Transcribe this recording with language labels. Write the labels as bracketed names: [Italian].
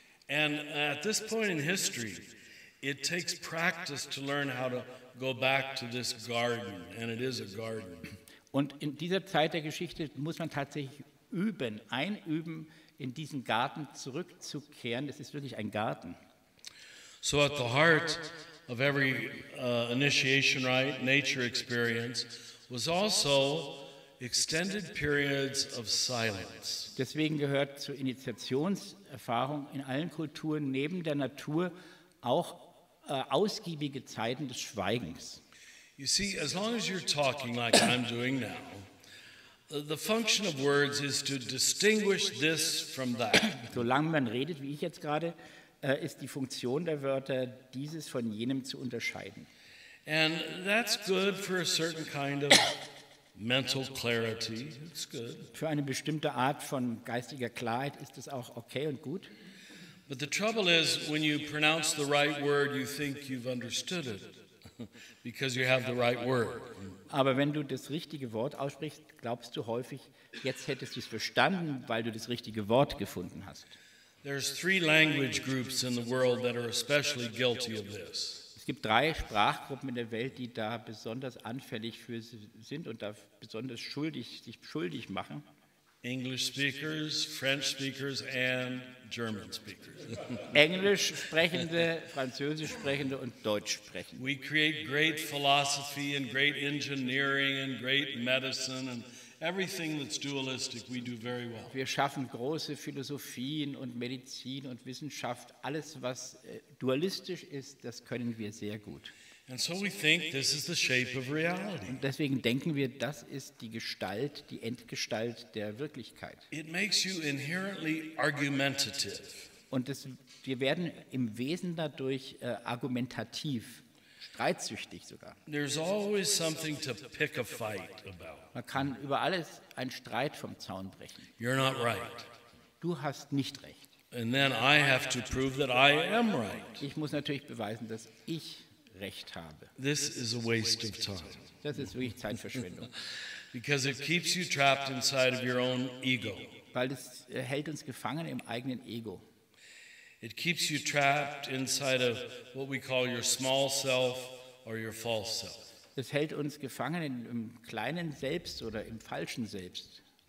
[English] And at this point in history, it takes practice to learn how to go back to this garden, and it is a garden. [German] Und in dieser Zeit der Geschichte muss man tatsächlich einüben, in diesen Garten zurückzukehren. Es ist wirklich ein Garten. [English] So at the heart of every initiation rite, nature experience, was also extended periods of silence. [German] Deswegen gehört zur Initiationserfahrung in allen Kulturen neben der Natur auch ausgiebige Zeiten des Schweigens. [English] You see, as long as you're talking like I'm doing now, the function of words is to distinguish this from that. [German] Solange man redet, wie ich jetzt gerade, ist die Funktion der Wörter, dieses von jenem zu unterscheiden. [English] And that's good for a certain kind of mental clarity. It's good. [German] Für eine bestimmte Art von geistiger Klarheit ist es auch okay und gut. [English] But the trouble is, when you pronounce the right word, you think you've understood it. Because you have the right word. [German] Aber wenn du das richtige Wort aussprichst, glaubst du häufig, jetzt hättest du es verstanden, weil du das richtige Wort gefunden hast. [English] There's three language groups in the world that are especially guilty of this. [German] Es gibt drei Sprachgruppen in der Welt, die da besonders anfällig für sind und da besonders sich schuldig machen. [English] English speakers, French speakers and German speakers. [German] Englisch sprechende, Französisch sprechende und Deutsch sprechende. [English] We create great philosophy and great engineering and great medicine and everything that's dualistic we do very well. [German] Wir schaffen große Philosophien und Medizin und Wissenschaft, alles was dualistisch ist, das können wir sehr gut. [English] And so we think this is the shape of reality. [German] Und deswegen denken wir, das ist die Gestalt, die Endgestalt der Wirklichkeit. [English] It makes you inherently argumentative. [German] Und wir werden im Wesen dadurch argumentativ, streitsüchtig sogar. [English] There's always something to pick a fight about. [German] Man kann über alles einen Streit vom Zaun brechen. [English] You're not right. [German] Du hast nicht recht. [English] And then I have to prove that I am right. [German] Ich muss natürlich beweisen, dass ich Recht habe. [English] This is a waste of time. [German] Das ist wirklich Zeitverschwendung. [English] Because it keeps you trapped inside of your own ego. [German] Weil es hält uns gefangen im eigenen Ego. [English] It keeps you trapped inside of what we call your small self or your false self. [German] Das hält uns gefangen im kleinen Selbst oder im falschen Selbst.